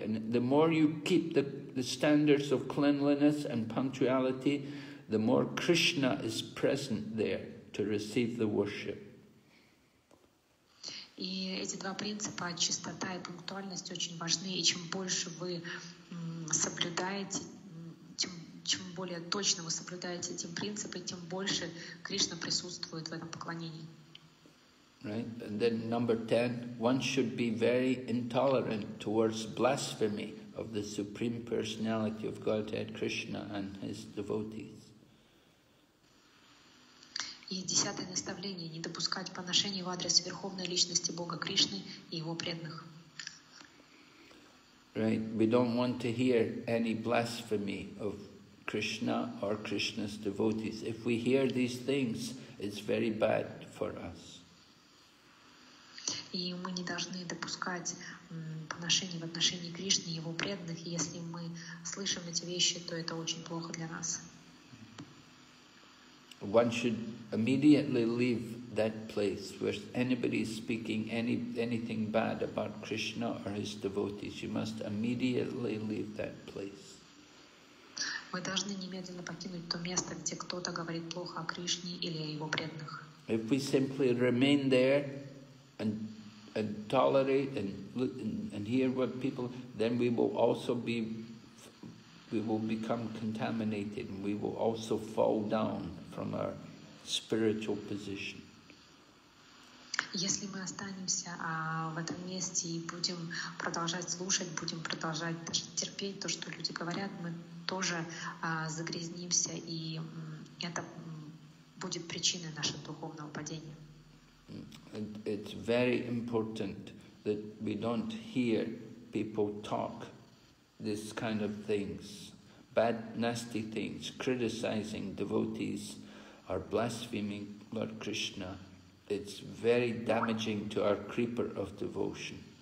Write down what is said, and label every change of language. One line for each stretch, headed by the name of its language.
English: And the more you keep the standards of cleanliness and punctuality, the more Krishna is present there to receive the worship.
Russian: И эти два принципа, чистота и пунктуальность, очень важны. И чем больше вы соблюдаете, чем более точно вы соблюдаете эти принципы, тем больше Кришна присутствует в этом поклонении.
English: Right? And then number 10, one should be very intolerant towards blasphemy of the Supreme Personality of Godhead Krishna and His devotees.
Russian: И десятое наставление – не допускать поношений в адрес Верховной Личности Бога Кришны и Его преданных.
English: Right. We don't want to hear any blasphemy of Krishna or Krishna's devotees. If we hear these things, it's very bad for us.
Russian: И мы не должны допускать поношений в отношении Кришны и Его преданных. И если мы слышим эти вещи, то это очень плохо для нас.
English: One should immediately leave that place where anybody is speaking anything bad about Krishna or his devotees. You must immediately leave that place.
Russian: Вы должны немедленно покинуть то место, где кто-то говорит плохо о Кришне или о его преданных.
English: If we simply remain there and tolerate and hear what people, then we will also be we will become contaminated and we will also fall down from our spiritual position.
Russian: Если мы останемся в этом месте и будем продолжать слушать, будем продолжать терпеть то, что люди говорят, мы тоже загрязнимся, и это будет причиной нашего духовного падения.
English: It's very important that we don't hear people talk this kind of things, bad, nasty things, criticizing devotees are blaspheming Lord Krishna. It's very damaging to our creeper of devotion.